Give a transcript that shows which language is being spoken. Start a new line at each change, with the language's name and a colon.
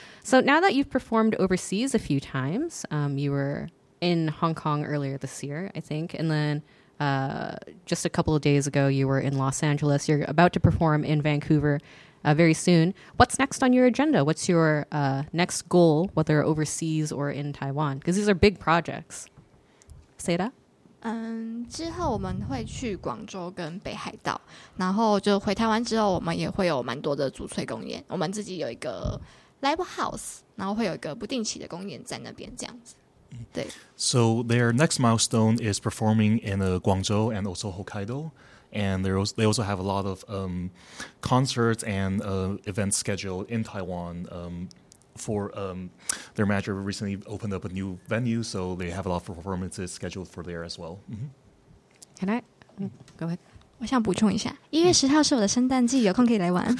English: So now that you've performed overseas a few times, you were in Hong Kong earlier this year, I think, and then just a couple of days ago, you were in Los Angeles. You're about to perform in Vancouver very soon. What's next on your agenda? What's your next goal, whether overseas or in Taiwan? Because these are big projects. Say that.
Chinese: 之后我们会去广州跟北海道, 然后就回台湾之后, 我们也会有蛮多的主催公演, 我们自己有一个 live house, 然后会有一个不定期的公演在那边这样子。
English: So their next milestone is performing in Guangzhou and also Hokkaido, and they also have a lot of concerts and events scheduled in Taiwan. Their manager recently opened up a new venue, so they have a lot of performances scheduled for there as well. Mm-hmm. Can I go ahead?
Chinese: 我想补充一下 1月10号是我的圣诞季 有空可以来玩